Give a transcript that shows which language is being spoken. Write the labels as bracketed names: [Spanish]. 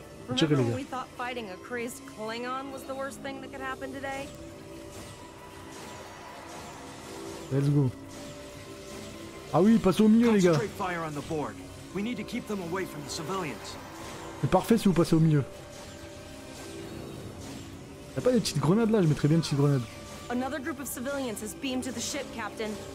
[English] Remember when we thought fighting a crazed Klingon was the worst thing that could happen today? Let's go. [French] Ah oui, passez au milieu, les gars. [English] Concentrate fire on the board. We need to keep them away from the civilians. [French] C'est parfait si vous passez au milieu. Y'a pas des petites grenades là, je mettrais bien une petite grenade. [English] Another group of civilians has beamed to the ship, Captain.